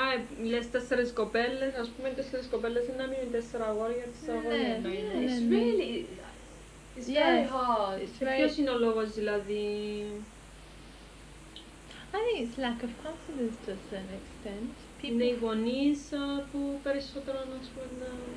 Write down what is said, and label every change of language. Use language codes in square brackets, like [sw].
[el] Ah, λες τέσσερις κοπέλες, ας πούμε τέσσερις κοπέλες είναι να μην είναι τέσσερα αγόρια, τέσσερα αγόρια. [en] It's really, it's yeah, very hard. It's very. [el] Ποιος είναι ο λόγος, δηλαδή? [en] I think it's lack of confidence to a certain extent. People. [el] Είναι οι γονείς που περισσότερο, ας πούμε, να.